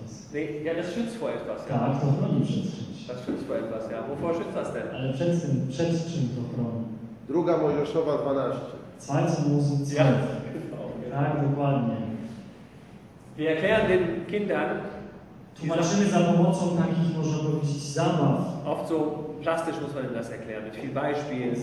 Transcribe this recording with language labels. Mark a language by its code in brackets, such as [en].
[de] Nee, ja, das schützt vor etwas. Ja. [pl] Tak, to chroni przed [de] czymś. Das schützt vor etwas, ja. Wovor schützt das denn? [pl] Ale przed czym to chroni? Druga Mojżeszowa 12. [de] Zweite Mose 12. [pl] Tak, dokładnie. [de] Wir erklären den Kindern, [pl] tłumaczymy za pomocą takich, można powiedzieć, zabaw. [de] Oft so plastisch muss man ihm das erklären, mit viel Beispiel.